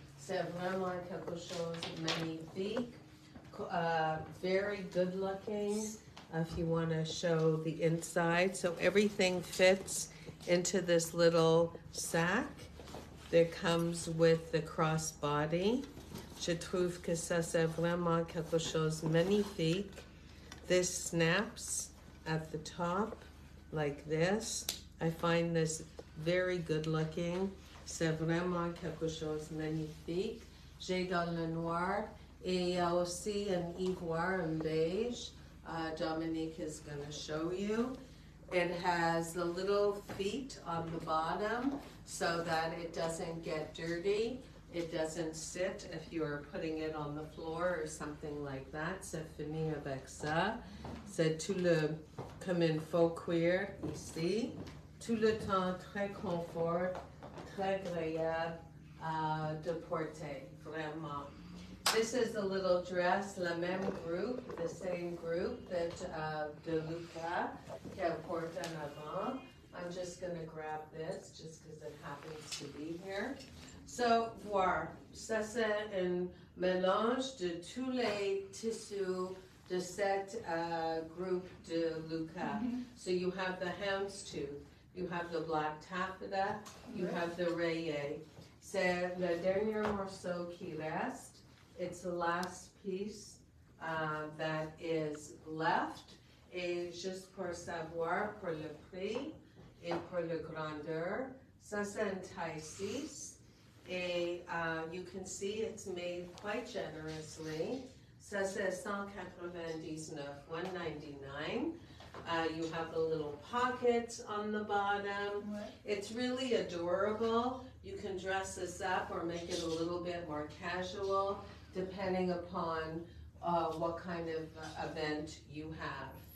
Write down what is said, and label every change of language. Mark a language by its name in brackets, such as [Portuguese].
[French] C'est vraiment quelque chose magnifique. [English] Very good looking. If you want to show the inside. So everything fits into this little sack that comes with the cross body. [French] Je trouve que ça c'est vraiment quelque chose magnifique. [English] This snaps at the top like this. I find this very good looking. [French] C'est vraiment quelque chose magnifique. J'ai dans le noir et il y a aussi un ivoire, un beige. [English] Dominique is gonna show you. It has the little feet on the bottom so that it doesn't get dirty. It doesn't sit if you're putting it on the floor or something like that. [French] C'est fini avec ça. C'est tout le, comme une faux cuir ici. Tout le temps très confort, très agréable de porter, vraiment. [English] This is a little dress, [French] la même [English] group, the same group that de Luca [French] qui porte en avant. [English] I'm just gonna grab this just because it happens to be here. [French] So, voir, ça c'est un mélange de tous les tissus de cette groupe de Luca. Mm-hmm. [English] So you have the houndstooth, you have the black taffeta, you have the rayé. [French] C'est le dernier morceau qui reste. [English] It's the last piece that is left. [French] Et juste pour savoir, pour le prix et pour le grandeur, ça c'est un taille 6. [English] Et you can see it's made quite generously. [French] Ça c'est $199. [English] You have the little pockets on the bottom. What? It's really adorable. You can dress this up or make it a little bit more casual, depending upon what kind of event you have.